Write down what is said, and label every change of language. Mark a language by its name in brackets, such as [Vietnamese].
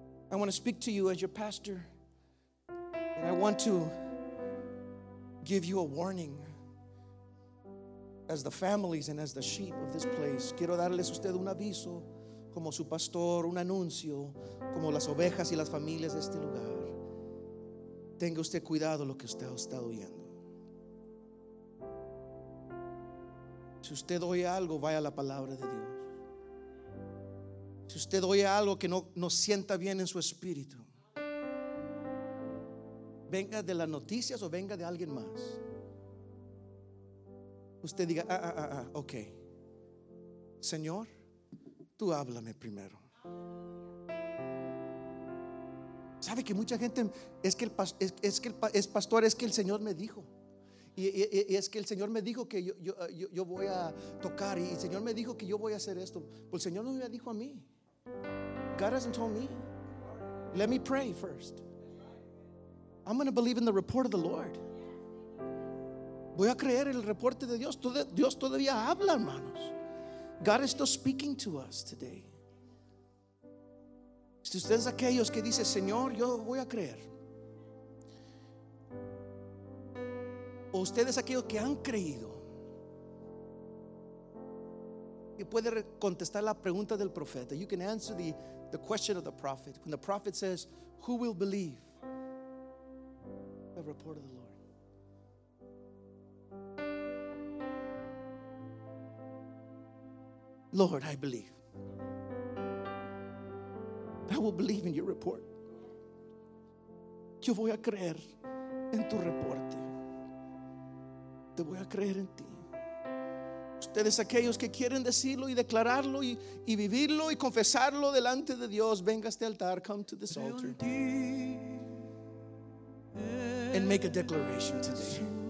[English] I want to speak to you as your pastor, and I want to give you a warning as the families and as the sheep of this place. [Spanish] Quiero darles a usted un aviso como su pastor, un anuncio como las ovejas y las familias de este lugar. Tenga usted cuidado lo que usted ha estado oyendo. Si usted oye algo, vaya a la palabra de Dios. Si usted oye algo que no sienta bien en su espíritu, venga de las noticias o venga de alguien más, usted diga, ok, Señor, tú háblame primero. Sabe que mucha gente es que el pastor, es que el Señor me dijo. Y es que el Señor me dijo que yo voy a tocar, y el Señor me dijo que yo voy a hacer esto. Pues el Señor no me lo dijo a mí. [English] God hasn't told me. Let me pray first. I'm going to believe in the report of the Lord. [Spanish] Voy a creer en el reporte de Dios. Dios todavía habla, hermanos. [English] God is still speaking to us today. [Spanish] Si ustedes aquellos que dicen, Señor, yo voy a creer. O ustedes aquellos que han creído. Y puede contestar la pregunta del profeta. [English] You can answer the question of the prophet. When the prophet says, who will believe the report of the Lord? Lord, I believe. I will believe in your report. [Spanish] Yo voy a creer en tu reporte. Te voy a creer en ti. Ustedes, aquellos que quieren decirlo y declararlo y vivirlo y confesarlo delante de Dios, venga a este altar. [English] Come to this altar and make a declaration today.